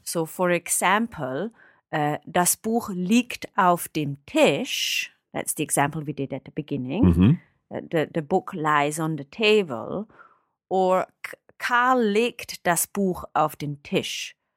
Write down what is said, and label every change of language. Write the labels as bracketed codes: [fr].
[en] So, for example, [de] das Buch liegt auf dem Tisch. [en] That's the example we did at the beginning. Mm-hmm. The book lies on the table. [de] Or Karl legt das Buch auf den Tisch.